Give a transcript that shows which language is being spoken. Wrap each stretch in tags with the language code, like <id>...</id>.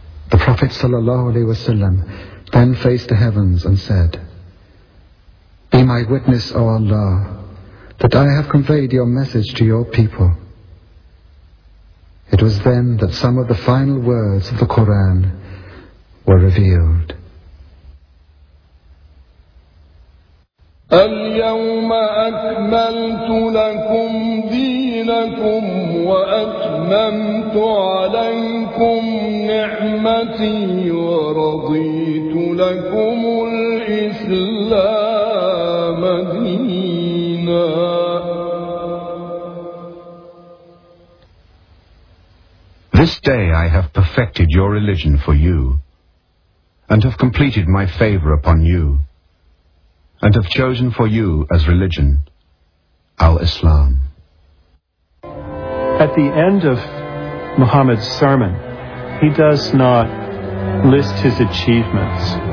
<en>The Prophet sallallahu alaihi wasallam then faced the heavens and said, Be my witness, O Allah, that I have conveyed your message to your people. It was then that some of the final words of the Quran were revealed.</en> <ar>اليوم أكملت لكم دينكم وأتممت عليكم نعمتي ورضيت لكم الإسلام دينا.</ar> <en>This day I have perfected your religion for you, and have completed my favor upon you. and have chosen for you as religion our Islam. At the end of Muhammad's sermon, he does not list his achievements.</en>